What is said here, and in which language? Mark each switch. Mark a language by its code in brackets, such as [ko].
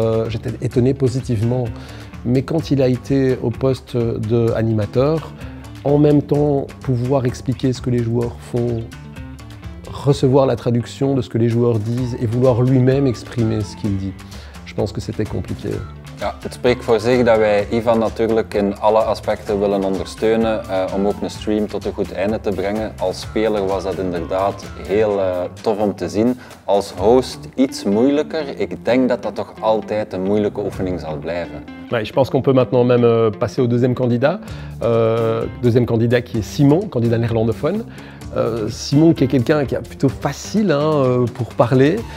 [fr] J'étais étonné positivement. Mais quand il a été au poste d'animateur, en même temps, pouvoir expliquer ce que les joueurs font, recevoir la traduction de ce que les joueurs disent et vouloir lui-même exprimer ce qu'il dit. Je pense que c'était compliqué. [nl] Ja, het spreekt voor zich dat wij Ivan natuurlijk in alle aspecten willen ondersteunen om ook een stream tot een goed einde te brengen. Als speler was dat inderdaad heel tof om te zien. Als host iets moeilijker. Ik denk dat dat toch altijd een moeilijke oefening zal blijven. [fr] Ouais, je pense qu'on peut maintenant même passer au deuxième candidat. Deuxième candidat qui est Simon, candidat néerlandophone. Simon qui est quelqu'un qui est plutôt facile hein, pour parler.